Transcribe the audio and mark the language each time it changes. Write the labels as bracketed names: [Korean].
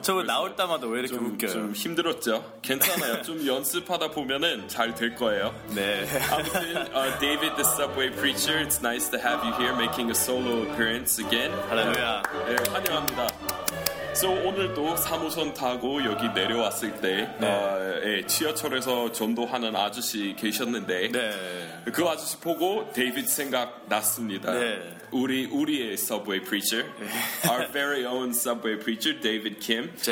[Korean] 저 나올 때마다 왜 이렇게 웃겨요? 좀 힘들었죠? 괜찮아요. 좀 연습하다 보면은 잘 될 거예요. 네. 아무튼 [English] David, the subway preacher. It's nice to have you here making a solo appearance again. [Korean] 할렐루야. 네, 환영합니다. [English] So, [Korean] 오늘도 3호선 타고 여기 내려왔을 때, 네. 예, 지하철에서 전도하는 아저씨 계셨는데, 네. 그 아저씨 보고 데이빗 생각났습니다. 네. 우리의 [English] 서브웨이 프리처, [Korean] 네. [English] Our very own subway preacher, David Kim.